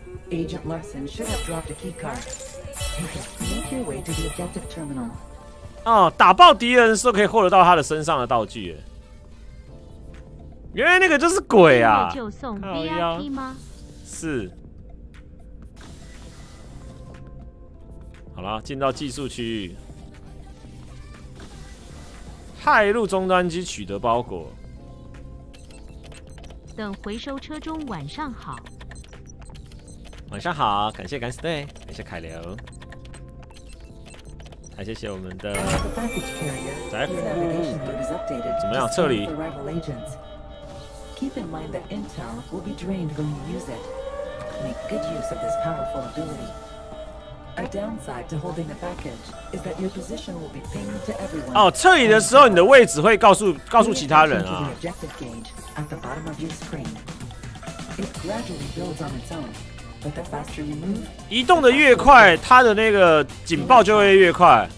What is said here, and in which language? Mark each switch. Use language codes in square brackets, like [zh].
[en] Agent Larson should have dropped a key card. Make your way to the objective terminal. [zh] 哦，打爆敌人是可以获得到他的身上的道具耶。原来那个就是鬼啊！就送 VIP 吗？是。好了，进到技术区域。骇入终端机取得包裹。等回收车中，晚上好。晚上好，感谢 Gunstay， 感谢凯流，还谢谢我们的宅服务。怎么样？撤离。 [en] Keep in mind that intel will be drained when you use it. Make good use of this powerful ability. A downside to holding the package is that your position will be pinged to everyone. [zh] 哦，撤离的时候你的位置会告诉其他人啊。 [en] Objective gauge at the bottom of your screen. It gradually builds on its own, but the faster you move, [zh] 移动的越快，它的那个警报就会越快。